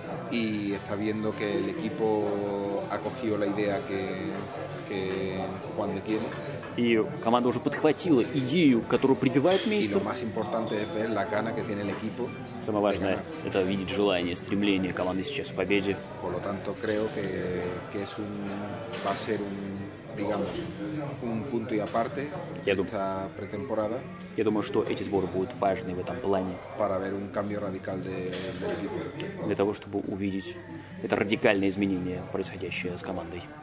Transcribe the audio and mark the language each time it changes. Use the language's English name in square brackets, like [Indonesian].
[Spanish] Y está viendo que el equipo ha cogido la idea que Juan de quiere. [Russian] И команда уже подхватила идею, которую прививает мистер. Самое важное – это видеть желание, стремление команды сейчас в победе. [Spanish] Por lo tanto, creo que es un, va a ser un, digamos, un punto y aparte esta pretemporada. [Russian] Я думаю, что эти сборы будут важны в этом плане. [Spanish] Para ver un cambio radical del equipo. [Russian] Для того, чтобы увидеть это радикальное изменение, происходящее с командой.